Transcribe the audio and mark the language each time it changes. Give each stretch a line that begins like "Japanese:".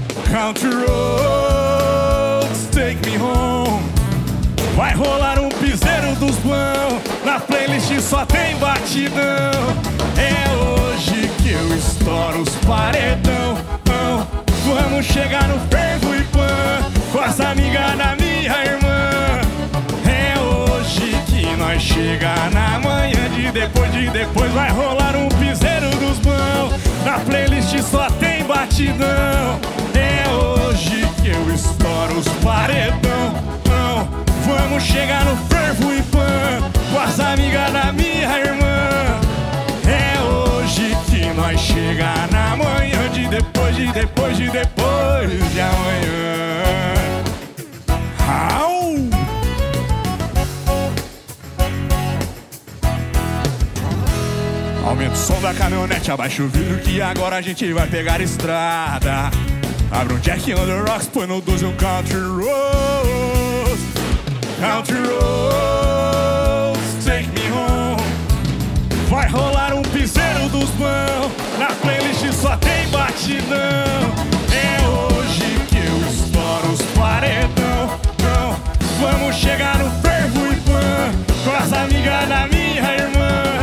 English: Country Roads, take me home.
Portuguese: Vai rolar um piseiro dos bão, na playlist só tem batidão. É hoje que eu estouro os paredão. Vamos chegar no fervo e pan, com as amigas da minha irmã. É hoje que nós chega na manhã de depois de depois. Vai rolar um piseiro dos bão, na playlist só tem batidão. É hoje que eu estouro os paredão. Vamos chegar no fervo e pã, com as amigas da minha irmã. É hoje que nós chega na manhã de depois de depois de depois de amanhã. Au! Aumenta o som da caminhonete, abaixa o vidro que agora a gente vai pegar a estrada. Abre um Jack on the Rocks, põe no 12 um Country Road.
English: Country Roads, take me home.
Portuguese: Vai rolar um piseiro dos bão, na playlist só tem batidão. É hoje que eu estouro os paredão. Vamos chegar no fervo e pã, com as amigas da minha irmã.